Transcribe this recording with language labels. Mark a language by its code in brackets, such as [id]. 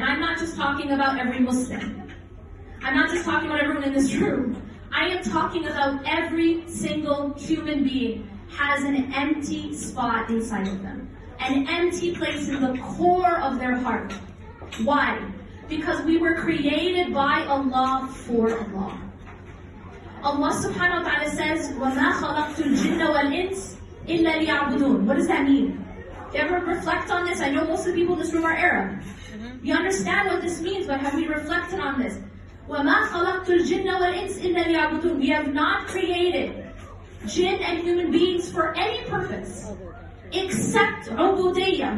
[en] And I'm not just talking about every Muslim. I'm not just talking about everyone in this room. I am talking about every single human being has an empty spot inside of them. An empty place in the core of their heart. Why? Because we were created by Allah for Allah. Allah subhanahu wa ta'ala says, [ar] وَمَا خَلَقْتُ الْجِنَّ وَالْإِنسِ إِلَّا لِيَعْبُدُونَ. [en] What does that mean? If you ever reflect on this, I know most of the people in this room are Arab. You understand what this means, but have we reflected on this? [ar] وَمَا خَلَقْتُ الْجِنَّ وَالْإِنسِ إِلَّا لِيَعْبُدُونَ. [en] We have not created jinn and human beings for any purpose except عُبُدِيَّ.